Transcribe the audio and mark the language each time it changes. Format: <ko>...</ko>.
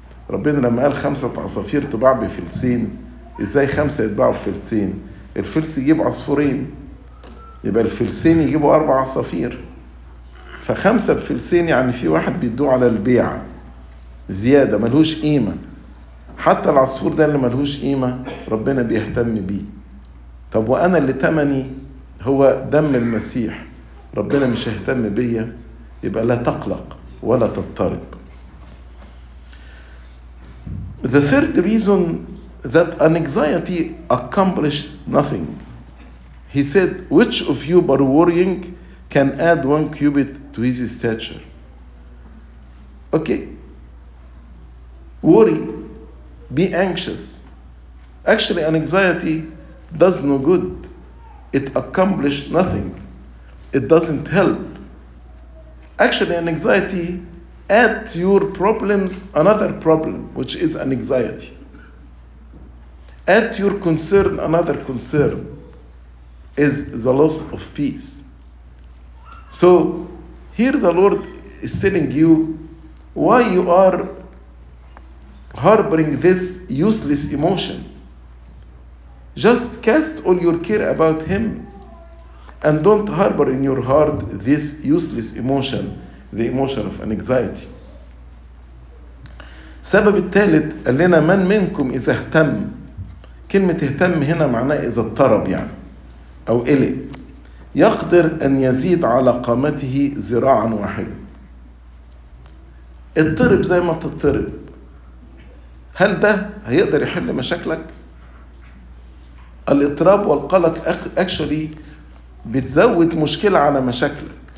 <ar>ربنا لما قال 5 عصافير تباع بفلسين، إزاي 5 يتباعوا بفلسين؟ الفلس يجيب عصفورين، يبقى الفلسين يجيبوا 4 عصافير، ف5 بفلسين يعني في واحد بيدوه على البيعة زيادة ملهوش قيمة. حتى العصفور ده اللي ملهوش قيمة ربنا بيهتم بيه. طب وأنا اللي تمني هو دم المسيح، ربنا مش هيهتم بيا؟ يبقى لا تقلق ولا تضطرب.</ar> <en>The third reason that an anxiety accomplishes nothing. He said, which of you by worrying can add 1 cubit to his stature? Okay. Worry. Be anxious. Actually, anxiety does no good. It accomplishes nothing. It doesn't help. Actually, anxiety adds to your problems another problem, which is anxiety. Add to your concern another concern is the loss of peace. So here the Lord is telling you why you are harboring this useless emotion. Just cast all your care about him and don't harbor in your heart this useless emotion, the emotion of anxiety.</en> <ar>سبب الثالث قال لنا من منكم إذا اهتم، كلمة اهتم هنا معناه إذا اضطرب يعني أو إلي، يقدر أن يزيد على قامته ذراعا واحدا. اضطرب زي ما تضطرب، هل ده هيقدر يحل مشاكلك؟ الاضطراب والقلق actually بتزود مشكلة على مشاكلك.</ar>